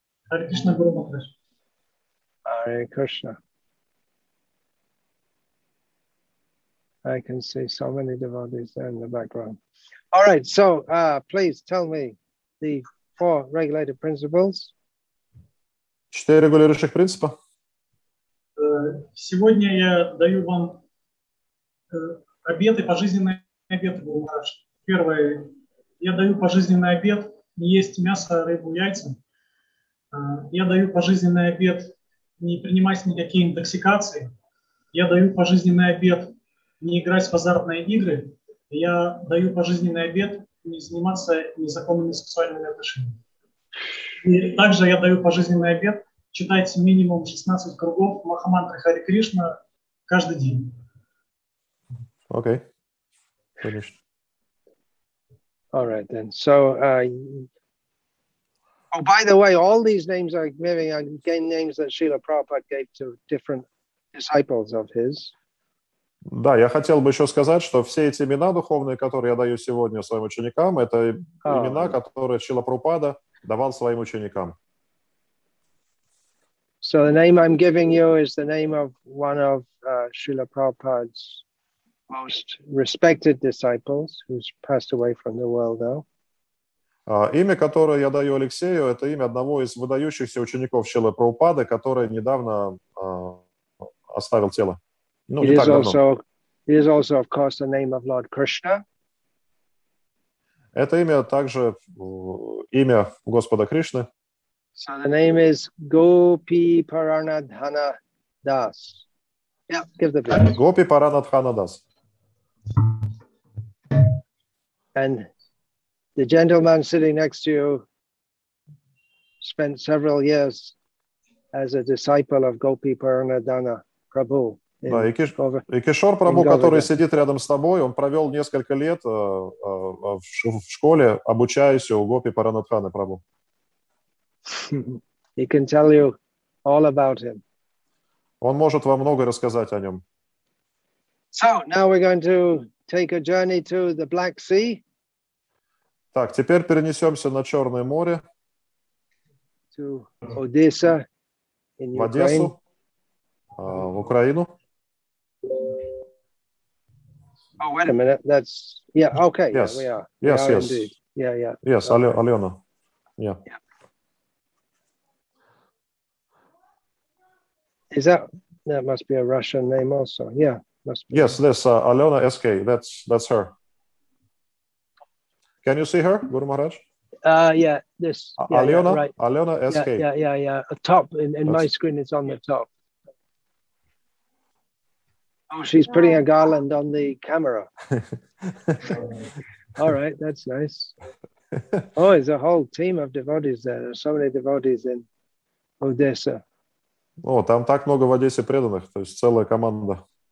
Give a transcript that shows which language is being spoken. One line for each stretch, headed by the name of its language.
English: Hare Krishna, Guru Mahārāj. Hare Krishna. I can see so many devotees there in the background. All right, so please tell me the four regulated principles.
Russian: Четыре регулирующих принципа. Сегодня я даю вам обеты, пожизненные обеты, Гуру Махарадж. Первое. Я даю пожизненный обет не есть мясо, рыбу, яйца. Я даю пожизненный обет не принимать никакие интоксикации. Я даю пожизненный обет не играть в азартные игры. Я даю пожизненный обет не заниматься незаконными сексуальными отношениями. И также я даю пожизненный обет читать минимум 16 кругов Махамантры Хари Кришна каждый день. Окей. Конечно.
English: All right, then. So, by the way, all these names are giving again names that Srila Prabhupada gave to different disciples of his.
Russian: Да, я хотел бы еще сказать, что все эти имена духовные, которые я даю сегодня своим ученикам, это имена, которые Шрила Прабхупада давал своим ученикам.
English: So the name I'm giving you is the name of one of Srila Prabhupada's most respected disciples who's passed away from the world now.
Russian: Имя, которое я даю Алексею, это имя одного из выдающихся учеников Шрилы Прабхупады, который недавно оставил тело. Ну,
English: it, is also, it is also, of course, the name of Lord Krishna.
Russian: Это имя также имя Господа Кришны.
English: So the name is Gopi Paranadhana Das. Yeah, give the blessing. Gopi Paranadhana Das. And the gentleman sitting next to you spent several years as a disciple of Gopi Paranadhana Prabhu.
Russian: Да, и Кишор Прабху, который сидит рядом с тобой, он провел несколько лет в школе, обучаясь у Гопи Паранадханы Прабху.
English: He can tell you all about him.
Russian: Он может вам много рассказать о нем.
English: So, now we're going to take a journey to the Black Sea.
Russian: Так, теперь перенесемся на Черное море.
English: To Odessa in
Russian: в Одессу, в Украину.
English: Oh, wait a minute, that's... Yeah, okay, yes. Yeah, we are. Yes, we are yes. Indeed. Yeah, yeah. Yes, okay. Алена. Yeah. Yeah. Is that... That must be a Russian name also, yeah. Yes, this Alena SK, that's her. Can you see her, Guru Maharaj? Alena, yeah, right. Alena SK. Yeah. Top, in my screen it's on the top. Oh, she's putting a garland on the camera. All right, that's nice. Oh, there's a whole team of devotees there. There's so many devotees in Odessa.
Russian: Oh, там так много в Одессе преданных, то есть целая команда.